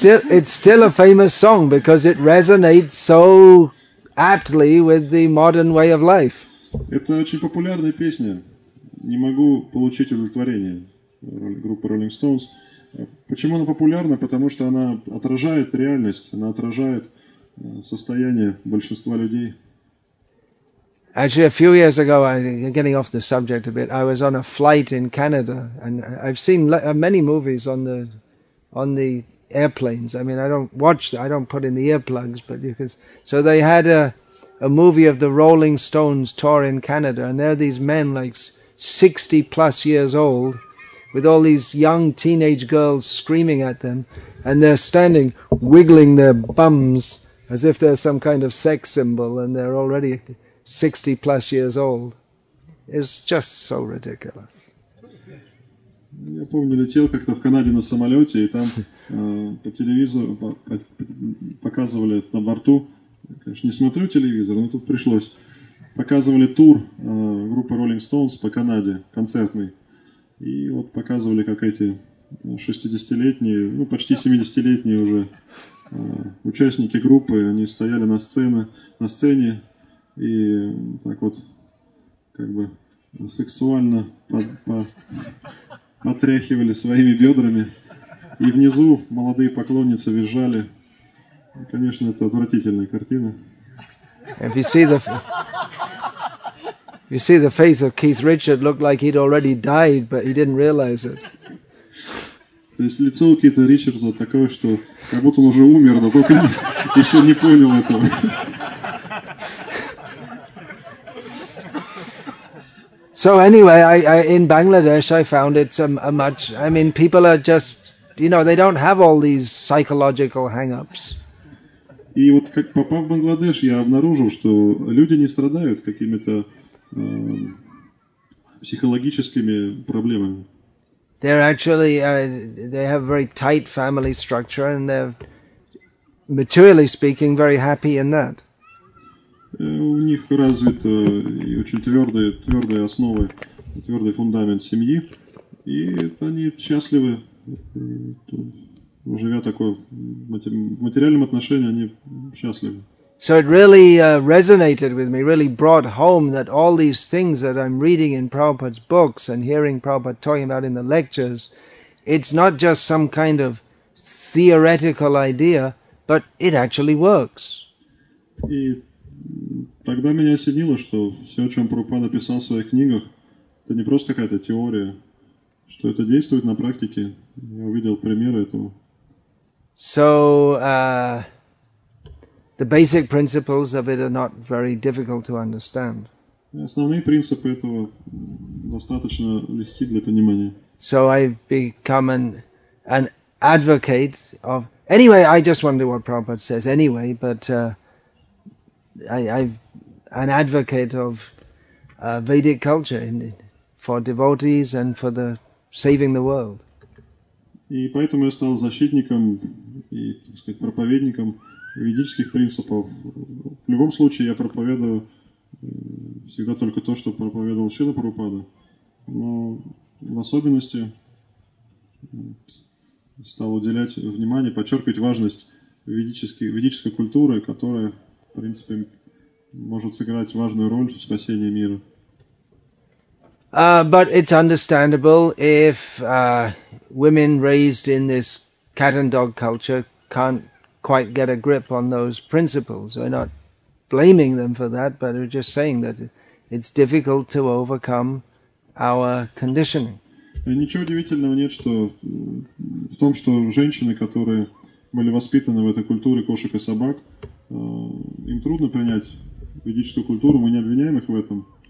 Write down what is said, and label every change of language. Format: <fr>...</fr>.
<en>It's still a famous song because it resonates so aptly with the modern way of life.</en> <ru>Это очень популярная песня. Не могу получить удовлетворение группы Rolling Stones. Почему она популярна? Потому что она отражает реальность, она отражает состояние большинства людей.</ru> <en>Actually, a few years ago, getting off the subject a bit, I was on a flight in Canada, and I've seen many movies on the airplanes. I mean, I don't put in the earplugs, but you can. So they had a movie of the Rolling Stones tour in Canada, and there are these men like 60 plus years old, with all these young teenage girls screaming at them, and they're standing, wiggling their bums as if they're some kind of sex symbol, and they're already 60 plus years old. It's just so ridiculous.</en> <ru>Я помню, летел как-то в Канаде на самолете, и там по телевизору показывали на борту. Конечно, не смотрю телевизор, но тут пришлось. Показывали тур группы Rolling Stones по Канаде, концертный. И вот показывали, как эти 60-летние, ну почти 70-летние уже участники группы, они стояли на сцене и так вот как бы сексуально потряхивали своими бедрами. И внизу молодые поклонницы визжали. И, конечно, это отвратительная картина.</ru> <en>You see, the face of Keith Richards looked like he'd already died, but he didn't realize it.</en> <ru>То есть лицо у Кита Ричардса такое, что как будто он уже умер, но только еще не понял этого.</ru> <en>So anyway, I in Bangladesh I found it's a much. I mean, people are just, you know, they don't have all these psychological hang-ups.</en> <ru>И вот как попав в Бангладеш, я обнаружил, что люди не страдают какими-то психологическими проблемами.</ru> <en>They're actually they have very tight family structure and they're materially speaking very happy in that.</en> <ru>У них развита и очень твердая основа, твердый фундамент семьи, и они счастливы, живя такое в материальном отношении, они счастливы.</ru> <en>So it really resonated with me, really brought home that all these things that I'm reading in Prabhupada's books and hearing Prabhupada talking about in the lectures, it's not just some kind of theoretical idea, but it actually works.</en> <ru>И тогда меня осенило, что все, о чем Прабхупада писал в своих книгах, это не просто какая-то теория, что это действует на практике. Я увидел примеры этого.</ru> <en>So, the basic principles of it are not very difficult to understand.</en> <ru>Основные принципы этого достаточно легки для понимания.</ru> <en>So I've become an advocate of... Anyway, I just wonder what Prabhupada says anyway, but I've an advocate of Vedic culture for devotees and for the saving the world.</en> <ru>И поэтому я стал защитником и, так сказать, проповедником ведических принципов. В любом случае, я проповедую всегда только то, что проповедовал Шрила Прабхупада. Но в особенности стал уделять внимание, подчеркивать важность ведической культуры, которая, в принципе, может сыграть важную роль в спасении мира.</ru> <en>But it's understandable if women raised in this cat and dog culture can't quite get a grip on those principles. We're not blaming them for that, but we're just saying that it's difficult to overcome our conditioning.</en> <ru>Ничего удивительного нет, что в том, что женщины, которые были воспитаны в этой культуре кошек и собак, им трудно принять ведическую культуру, мы не обвиняем их в этом.</ru>